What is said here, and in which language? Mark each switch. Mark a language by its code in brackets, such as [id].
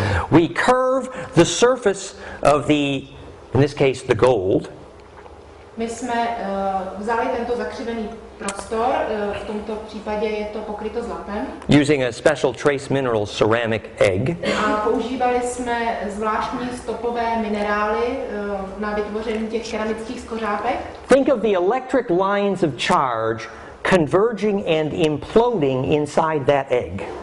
[en] We curve the surface of the, in this case, the gold. [cs] My jsme vzali tento zakřivený prostor, v tomto případě je to pokryto zlatem. [en] Using a special trace mineral ceramic egg. [cs] A používali jsme zvláštní stopové minerály na vytvoření těch keramických skořápek. [en] Think of the electric lines of charge converging and imploding inside that egg.